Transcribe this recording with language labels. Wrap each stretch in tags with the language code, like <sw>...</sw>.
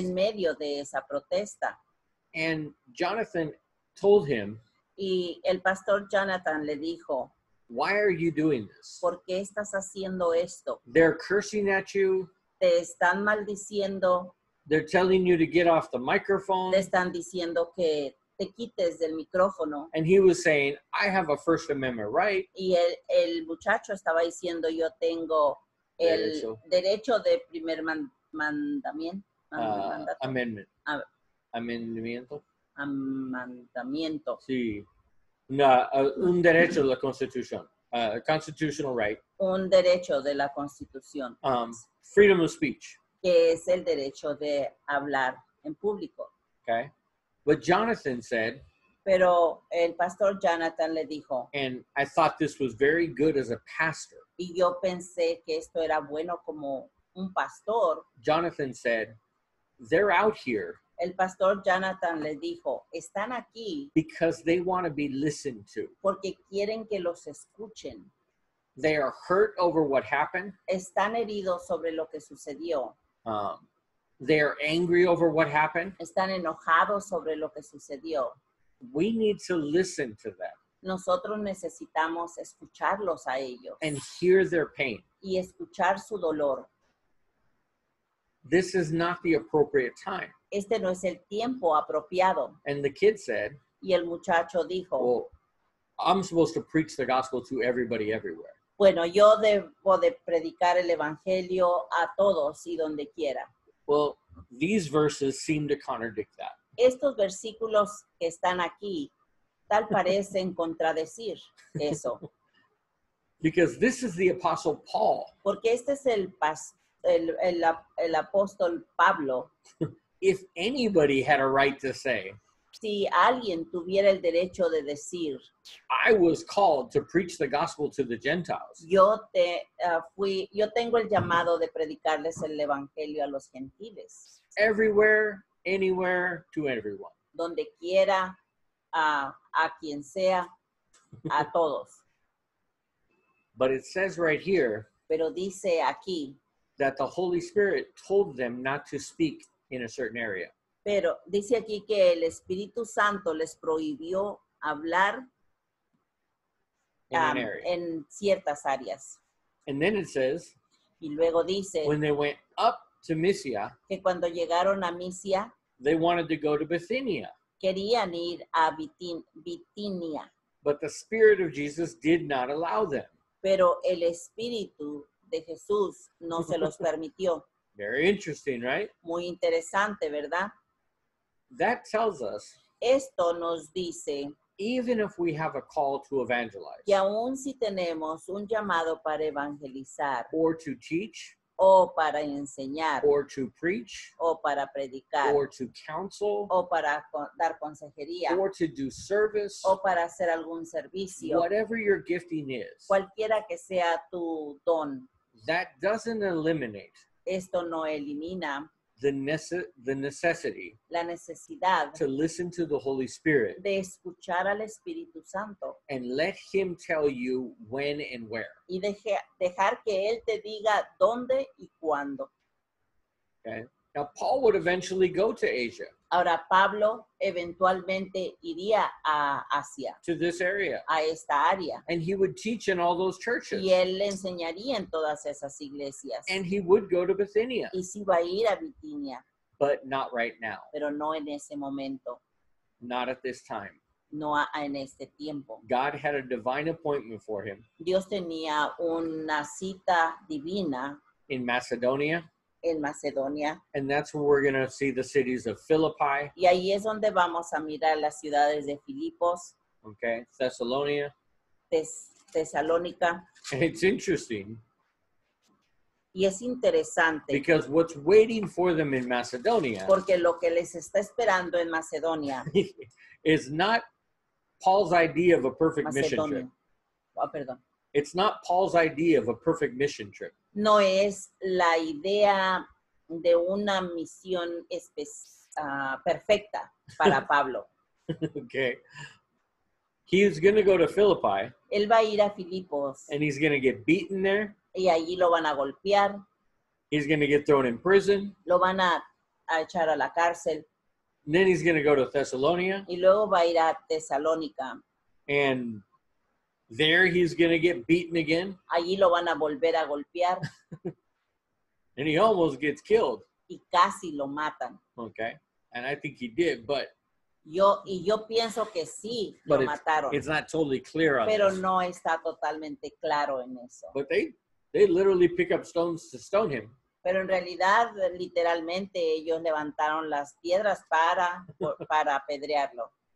<es>En medio de esa protesta.</es> <en>And Jonathan told him.</en> <es>Y el pastor Jonathan le dijo.</es> <en>Why are you doing this?</en> <es>¿Por qué estás haciendo esto?</es> <en>They're cursing at you.</en> <es>Te están maldiciendo.</es> <en>They're telling you to get off the microphone.</en> <es>Te están diciendo que te quites del micrófono.</es> <en>And he was saying, I have a First Amendment right.</en> <es>Y el muchacho estaba diciendo, yo tengo el derecho de primer</es> <en>amendment.</en> <es>Amendamiento. Amendamiento. Sí. No, un derecho de la Constitución.</es> <en>A constitutional right.</en> <es>Un derecho de la Constitución.</es> <en>Freedom of speech.</en> <es>Que es el derecho de hablar en público.</es> <en>Okay. But Jonathan said.</en> <es>Pero el pastor Jonathan le dijo.</es> <en>And I thought this was very good as a pastor.</en> <es>Y yo pensé que esto era bueno como un pastor.</es> <en>Jonathan said, they're out here.</en> <es>El pastor Jonathan le dijo, están aquí</es> <en>because they want to be listened to.</en> <es>Porque quieren que los escuchen.</es> <en>They are hurt over what happened.</en> <es>Están heridos sobre lo que sucedió.</es> <en>They are angry over what happened.</en> <es>Están enojados sobre lo que sucedió.</es> <en>We need to listen to them.</en> <es>Nosotros necesitamos escucharlos a ellos.</es> <en>And hear their pain.</en> <es>Y escuchar su dolor.</es> <en>This is not the appropriate time.</en> <es>Este no es el tiempo apropiado.</es> <en>And the kid said,</en> <es>y el muchacho dijo,</es> <en>well, I'm supposed to preach the gospel to everybody everywhere.</en> <es>Bueno, yo debo de predicar el evangelio a todos y donde quiera.</es> <en>Well, these verses seem to contradict that.</en> <es>Estos versículos que están aquí, tal parecen contradecir eso.</es> <en>Because this is the Apostle Paul.</en> <es>Porque este es el apóstol Pablo.</es> <en>If anybody had a right to say,</en> <es>si alguien tuviera el derecho de decir,</es> <en>I was called to preach the gospel to the Gentiles.</en> <es>Yo tengo el llamado de predicarles el evangelio a los gentiles.</es> <en>Everywhere, anywhere, to everyone.</en> <es>Donde quiera, a quien sea, a todos.</es> <en>But it says right here,</en> <es>pero dice aquí,</es> <en>that the Holy Spirit told them not to speak in a certain area.</en> <es>Pero dice aquí que el Espíritu Santo les prohibió hablar en ciertas áreas.</es> <en>And then it says,</en> <es>y luego dice,</es> <en>when they went up to Mysia,</en> <es>que cuando llegaron a Mysia,</es> <en>they wanted to go to Bithynia.</en> <es>Querían ir a Bitinia.</es> <en>But the Spirit of Jesus did not allow them.</en> <es>Pero el Espíritu de Jesús no se los permitió.</es> <en>Very interesting, right?</en> <es>Muy interesante, ¿verdad?</es> <en>That tells us,</en> <es>esto nos dice,</es> <en>even if we have a call to evangelize,</en> <es>que aún si tenemos un llamado para evangelizar,</es> <en>or to teach,</en> <es>o para enseñar,</es> <en>or to preach,</en> <es>o para predicar,</es> <en>or to counsel,</en> <es>o para dar consejería,</es> <en>or to do service,</en> <es>o para hacer algún servicio,</es> <en>whatever your gifting is,</en> <es>cualquiera que sea tu don,</es> <en>that doesn't eliminate,</en> <es>esto no elimina,</es> <en>the necessity,</en> <es>la necesidad,</es> <en>to listen to the Holy Spirit,</en> <es>de escuchar al Espíritu Santo,</es> <en>and let Him tell you when and where,</en> <es>y dejar que Él te diga dónde y cuándo.</es> <en>Okay. Now Paul would eventually go to Asia.</en> <es>Ahora Pablo eventualmente iría a Asia.</es> <en>To this area.</en> <es>A esta área.</es> <en>And he would teach in all those churches.</en> <es>Y él le enseñaría en todas esas iglesias.</es> <en>And he would go to Bithynia.</en> <es>Y si va a ir a Bithynia.</es> <en>But not right now.</en> <es>Pero no en ese momento.</es> <en>Not at this time.</en> <es>No en este tiempo.</es> <en>God had a divine appointment for him.</en> <es>Dios tenía una cita divina.</es> <en>In Macedonia.</en> <es>En Macedonia.</es> <en>And that's where we're going to see the cities of Philippi.</en> <es>Y ahí es donde vamos a mirar las ciudades de Filipos.</es> <en>Okay, Thessalonia.</en> <es>Tesalónica.</es> <en>And it's interesting.</en> <es>Y es interesante.</es> <en>Because what's waiting for them in Macedonia.</en> <es>Porque lo que les está esperando en Macedonia.</es> <en>Is not Paul's idea of a perfect</en> <es>Macedonia.</es> <en>Mission trip.</en> <es>Oh, perdón.</es> <en>It's not Paul's idea of a perfect mission trip.</en> <es>No es la idea de una misión perfecta para Pablo.</es> <en>Okay. He's going to go to Philippi.</en> <es>Él va a ir a Filipos.</es> <en>And he's going to get beaten there.</en> <es>Y allí lo van a golpear.</es> <en>He's going to get thrown in prison.</en> <es>Lo van a echar a la cárcel.</es> <en>And then he's going to go to Thessalonica.</en> <es>Y luego va a ir a Tesalónica.</es> <en>And there he's going to get beaten again.</en> <es>Allí lo van a volver a golpear.</es> <en>And he almost gets killed.</en> <es>Y casi lo matan.</es> <en>Okay. And I think he did, but.</en> <es>Yo pienso que sí lo mataron.</es> <en>It's not totally clear on</en> <es>pero</es> <en>this.</en> <es>No está totalmente claro en eso.</es> <en>But they literally pick up stones to stone him.</en> <es>Pero en realidad, literalmente, ellos levantaron las piedras para apedrearlo.</es>